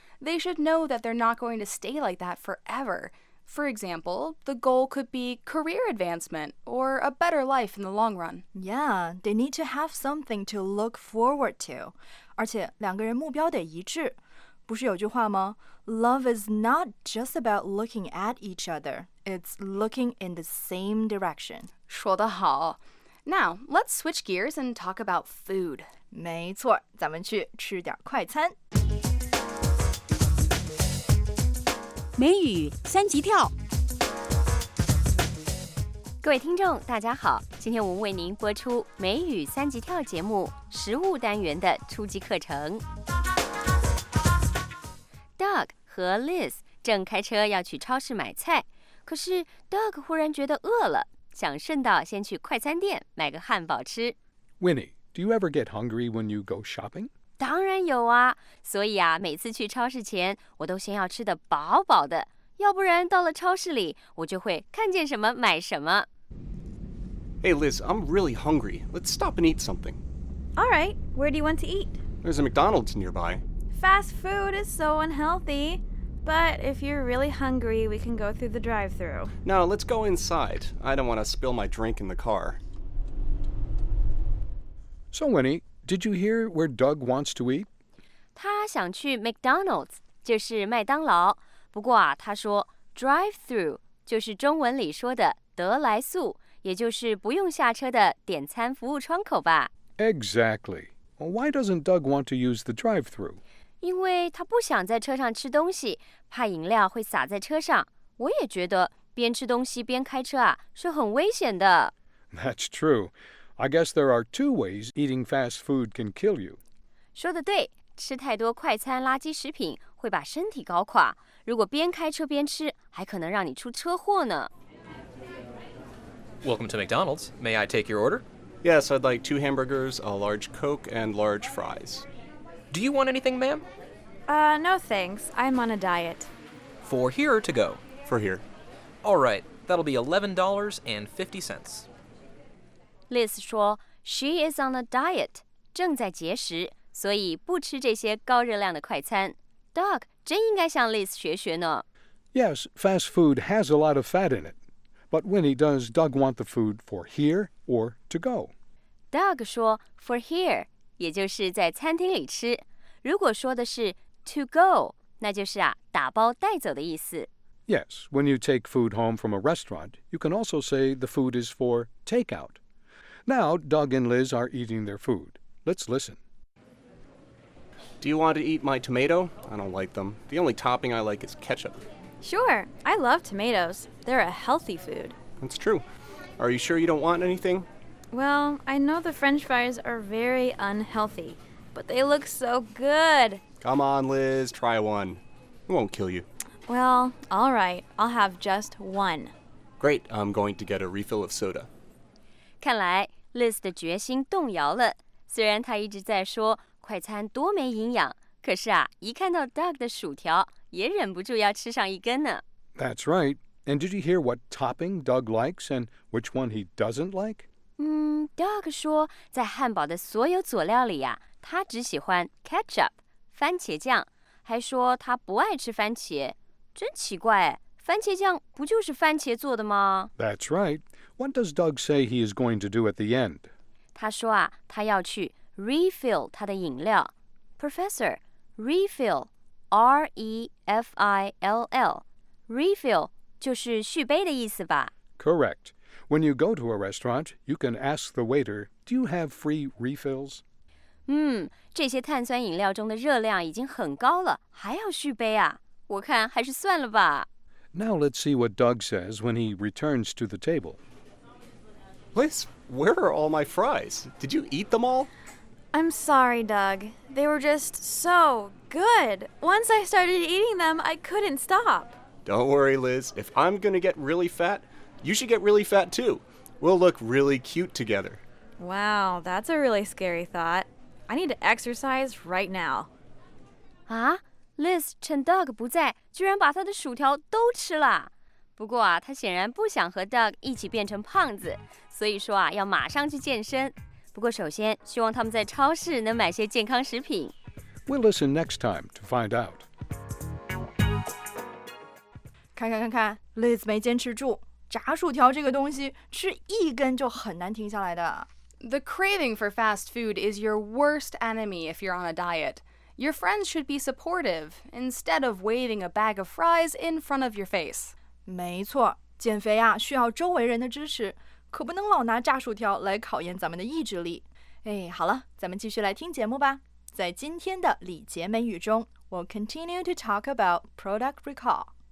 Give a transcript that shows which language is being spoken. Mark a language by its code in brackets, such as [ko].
[en] They should know that they're not going to stay like that forever. For example, the goal could be career advancement or a better life in the long run. Yeah, they need to have something to look forward to. [zh] 而且两个人目标得一致。不是有句话吗？ [en] Love is not just about looking at each other. It's looking in the same direction. [zh] 说得好。 [en] Now, let's switch gears and talk about food. [zh] 没错，咱们去吃点快餐。美语三级跳，各位听众大家好，今天我们为您播出美语三级跳节目食物单元的初级课程。 Doug 和 Liz 正开车要去超市买菜，可是 Doug 忽然觉得饿了，想顺道先去快餐店买个汉堡吃。 [en] Winnie, do you ever get hungry when you go shopping? [zh] 当然有啊，所以啊，每次去超市前，我都先要吃得饱饱的，要不然到了超市里，我就会看见什么买什么。 [en] Hey Liz, I'm really hungry. Let's stop and eat something. All right, where do you want to eat? There's a McDonald's nearby. Fast food is so unhealthy. But if you're really hungry, we can go through the drive-thru. No, let's go inside. I don't want to spill my drink in the car. So Winnie,Did you hear where Doug wants to eat? [zh] 他想去 McDonald's, 就是麦当劳。不过啊，他说 drive-through 就是中文里说的得来速，也就是不用下车的点餐服务窗口吧。 [en] Exactly. Well, why doesn't Doug want to use the drive-through? [zh] 因为他不想在车上吃东西，怕饮料会洒在车上。我也觉得边吃东西边开车啊，是很危险的。 [en] That's true. I guess there are two ways eating fast food can kill you. [zh] 说得对，吃太多快餐垃圾食品会把身体搞垮。如果边开车边吃，还可能让你出车祸呢。 [en] Welcome to McDonald's. May I take your order? Yes, I'd like two hamburgers, a large Coke, and large fries. Do you want anything, ma'am? No thanks. I'm on a diet. For here or to go? For here. All right, that'll be $11.50. [zh] Liz 说 , [en] She is on a diet, [zh] 正在节食，所以不吃这些高热量的快餐。 Doug 真应该向 Liz 学学呢。 [en] Yes, fast food has a lot of fat in it. But Winnie, does Doug want the food for here or to go? [zh] Doug 说 , [en] for here, [zh] 也就是在餐厅里吃。如果说的是 [en] to go, [zh] 那就是啊打包带走的意思。 [en] Yes, when you take food home from a restaurant, you can also say the food is for takeout. Now, Doug and Liz are eating their food. Let's listen. Do you want to eat my tomato? I don't like them. The only topping I like is ketchup. Sure, I love tomatoes. They're a healthy food. That's true. Are you sure you don't want anything? Well, I know the French fries are very unhealthy, but they look so good. Come on, Liz, try one. It won't kill you. Well, all right, I'll have just one. Great, I'm going to get a refill of soda. [zh] 看来 Liz 的决心动摇了。虽然她一直在说快餐多没营养，可是啊，一看到 Doug 的薯条，也忍不住要吃上一根呢。 [en] That's right. And did you hear what topping Doug likes and which one he doesn't like? [zh] Doug 说在汉堡的所有佐料里啊，他只喜欢 ketchup, 番茄酱，还说他不爱吃番茄。真奇怪，番茄酱不就是番茄做的吗？ [en] That's right. What does Doug say he is going to do at the end? [zh] 他说啊，他要去 refill 他的饮料。 Professor, refill, R-E-F-I-L-L, refill 就是续杯的意思吧？ [en] Correct. When you go to a restaurant, you can ask the waiter, do you have free refills? [zh] 这些碳酸饮料中的热量已经很高了，还要续杯啊？我看还是算了吧。 [en] Now let's see what Doug says when he returns to the table. Liz, where are all my fries? Did you eat them all? I'm sorry, Doug. They were just so good. Once I started eating them, I couldn't stop. Don't worry, Liz. If I'm going to get really fat, you should get really fat too. We'll look really cute together. Wow, that's a really scary thought. I need to exercise right now. [zh] Huh? Liz 趁 Doug 不在，居然把他的薯条都吃了。不过啊，他显然不想和 Doug 一起变成胖子，所以说啊，要马上去健身。不过首先，希望他们在超市能买些健康食品。 [en] We'll listen next time to find out. [zh] 看 ，Liz 没坚持住，炸薯条这个东西吃一根就很难停下来的。 [en] The craving for fast food is your worst enemy if you're on a diet. Your friends should be supportive instead of waving a bag of fries in front of your face. [zh] 没错，减肥啊需要周围人的支持，可不能老拿炸薯条来考验咱们的意志力。哎，好了，咱们继续来听节目吧。在今天的礼节美语中 [en] ，We'll continue to talk about product recall.